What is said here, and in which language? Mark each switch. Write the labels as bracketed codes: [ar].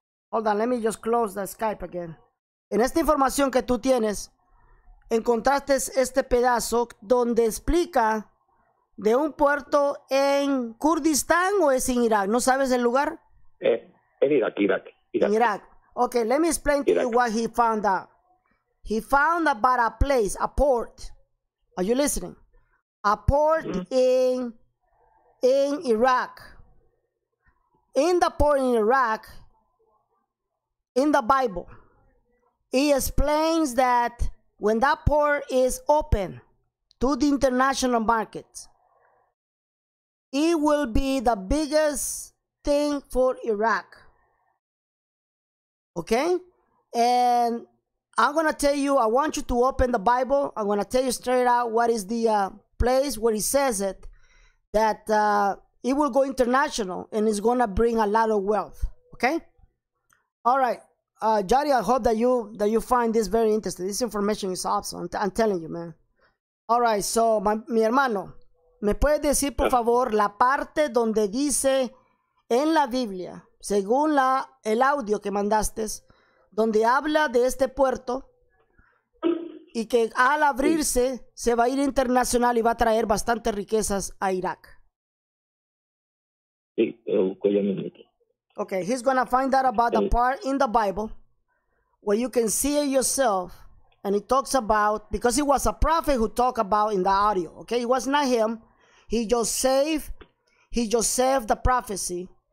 [en] Hold on. Let me just close the Skype again. [es] En esta información que tú tienes, encontraste este pedazo donde explica. ¿De un puerto en Kurdistán o es en Irak? ¿No sabes el lugar? En Irak, Irak. En Irak. [en] Okay, let me explain to you what he found out. He found about a place, a port. Are you listening? A port in Iraq. In the port in Iraq, in the Bible, he explains that when that port is open to the international market, it will be the biggest thing for Iraq. Okay? And I'm going to tell you, I want you to open the Bible. I'm going to tell you straight out what is the place where he says it, that it will go international and it's going to bring a lot of wealth. Okay? All right. Jody, I hope that you find this very interesting. This information is awesome. I'm telling you, man. All right. So, [es] mi hermano. ¿Me puedes decir, por favor, la parte donde dice en la Biblia, según el audio que mandaste, donde habla de este puerto y que al abrirse se va a ir internacional y va a traer bastantes riquezas a Irak? Sí, voy a mirar. [en] Okay, he's going to find out about the part in the Bible where you can see it yourself, and he talks about, because it was a prophet who talked about in the audio, okay? It was not him. He just saved the prophecy.